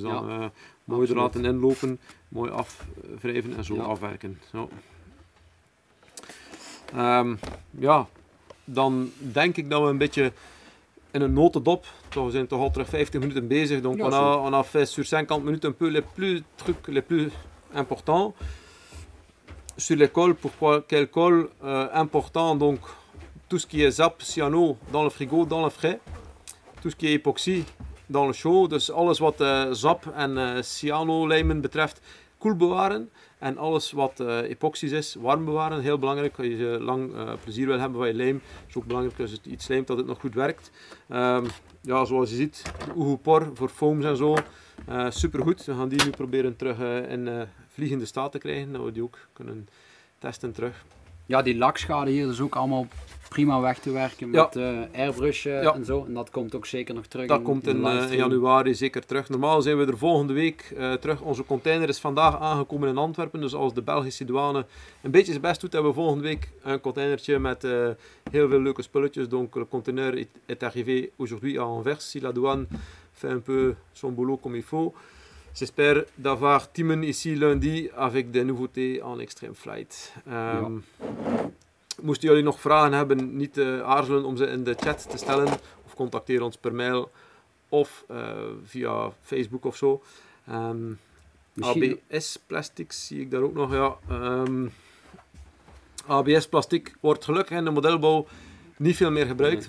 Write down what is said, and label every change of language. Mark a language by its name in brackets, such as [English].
[Dutch] Dan mooi er laten inlopen, mooi afwrijven en zo afwerken. Zo. Dan denk ik dat we een beetje in een notendop, we zijn toch al terug 50 minuten bezig, [French] donc ja, on a fait sur 50 minuten un peu le plus truc, le plus important. Sur les cols, pourquoi quel col important, donc tout ce qui est zap, cyano, dans le frigo, dans le frais, tout ce qui est epoxy, dans le chaud, [Dutch] dus alles wat zap en cyano lijmen betreft, koel bewaren. En alles wat epoxies is, warm bewaren. Heel belangrijk, als je lang plezier wil hebben van je lijm. Het is ook belangrijk als je iets lijmt dat het nog goed werkt. Ja, zoals je ziet, Oehoepor voor foams en zo. Supergoed. We gaan die nu proberen terug in vliegende staat te krijgen. Dat we die ook kunnen testen terug. Ja, die lakschade hier is ook allemaal prima weg te werken met airbrush en zo. En dat komt ook zeker nog terug. Dat komt in januari zeker terug. Normaal zijn we er volgende week terug. Onze container is vandaag aangekomen in Antwerpen. Dus als de Belgische douane een beetje zijn best doet, hebben we volgende week een containertje met heel veel leuke spulletjes. [French] Donc, le conteneur est arrivé aujourd'hui à Anvers. Si la douane fait un peu son boulot comme il faut. J'espère d'avoir Timon ici lundi avec des nouveautés en Extreme Flight. [Dutch] Moesten jullie nog vragen hebben, niet aarzelen om ze in de chat te stellen. Of contacteer ons per mail of via Facebook of zo. ABS Plastic zie ik daar ook nog. Ja. ABS Plastic wordt gelukkig in de modelbouw niet veel meer gebruikt.